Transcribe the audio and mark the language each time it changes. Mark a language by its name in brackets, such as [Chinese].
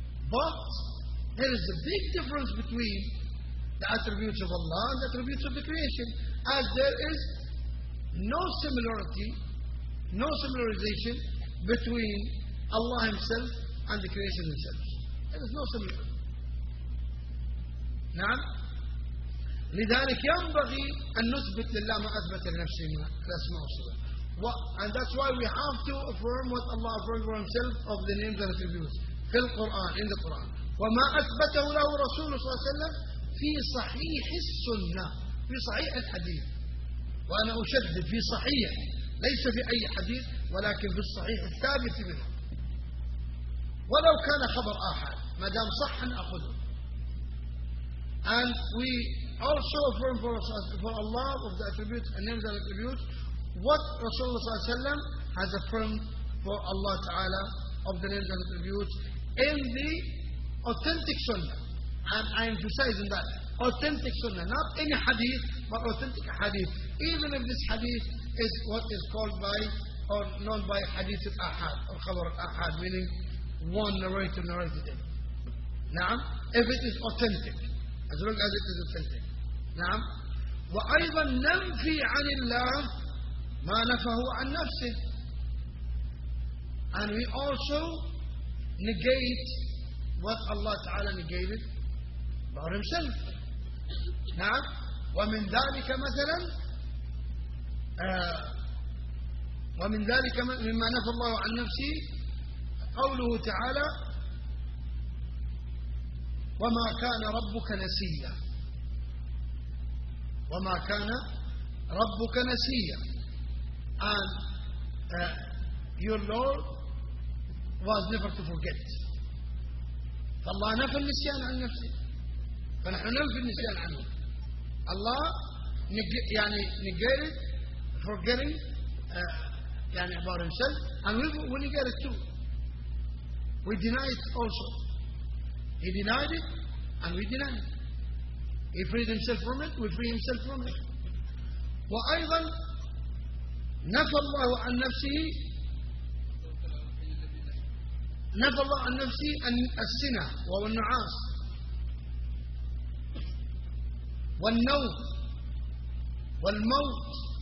[English] But there is a big difference between the attributes of Allah and the attributes of the creation, as there is no similarity, no similarization between Allah Himself and the creation Himself. There is no similarity. [Arabic] نعم. لذلك ينبغي أن نثبت لله ما أثبت لنفسه من الأسماء والصفات. [English] And that's why we have to affirm what Allah affirmed for Himself of the names and attributes. [Arabic] في القرآن، [English] in the Quran. [Arabic] وما أثبته له رسوله صلى الله عليه وسلم في صحيح السنة، في صحيح الحديث. وأنا أشدد في صحيح، ليس في أي حديث، ولكن في الصحيح الثابت منه. ولو كان خبر آحد، ما دام صح أخذه. [English] And we also affirm for Allah of the attributes and names and attributes what Rasulullah has affirmed for Allah Ta'ala of the names and attributes in the authentic sunnah. And I emphasize in that authentic sunnah, not any hadith, but authentic hadith. Even if this hadith is what is called by or known by hadith al-ahad or khabar al-ahad, meaning one narrator narrated it. [Arabic] Naam? [English] If it is authentic. As long as it is authentic. [Arabic] نعم. وأيضا ننفي عن الله ما نفاه عن نفسه. [English] And we also negate what Allah Ta'ala negated about Himself. [Arabic] نعم. ومن ذلك مثلا ومن ذلك مما نفى الله عن نفسه قوله تعالى وما كان ربك نسيا وما كان ربك نسيا [English] and your Lord was never to forget. [Arabic] فالله نفى النسيان عن نفسه فنحن نلف النسيان عنه. الله يعني [English] negated forgetting يعني about himself and we negate it too. We deny it also. He denied it and we deny it. He freed himself from it, we free himself from it. [Arabic] وأيضا نفى الله عن نفسه نفى الله عن نفسه السنة والنعاس والنوم والموت.